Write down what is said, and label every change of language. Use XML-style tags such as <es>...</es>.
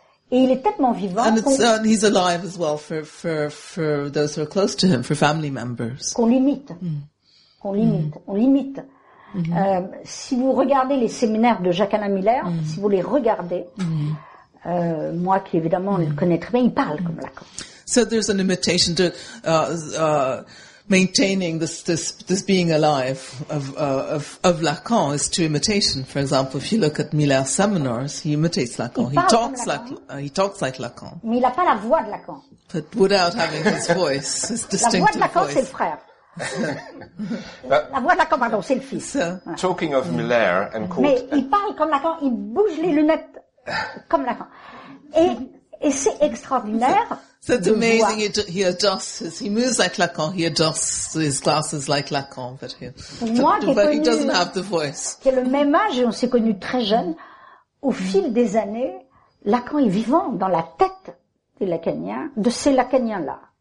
<fr>Et il est tellement vivant</fr> <en>and he's alive as well for those who are close to him, for family members.</en> <fr>Qu'on limite. On limite. Mm-hmm. Si vous regardez les séminaires de Jacques-Alain Miller, si vous les regardez, moi qui évidemment le connais très bien, il parle comme Lacan.</fr> <en>So there's an imitation to maintaining this being alive of Lacan is to imitation. For example, if you look at Miller's seminars, he imitates Lacan. He talks like Lacan.</en> <fr>Mais il a pas la voix de Lacan.</fr> <en>But without having his voice, his distinctive voice.</en> <fr>La voix de Lacan, c'est le frère. La voix de Lacan, pardon, c'est le fils. Voilà.</fr> <en>Talking of Miller and court.</en> <fr>Mais il parle comme Lacan, il bouge les lunettes comme Lacan. Et c'est extraordinaire.</fr> <en>So it's amazing. He adjusts. He moves like Lacan. He adjusts his glasses like Lacan, but he.</en> <fr>Moi,</fr> <en>but he doesn't have the voice.</en> <fr>Qui a le même âge et on s'est connus très jeunes. Au fil des années, Lacan est vivant dans la tête des Lacaniens, de ces Lacaniens-là.</fr>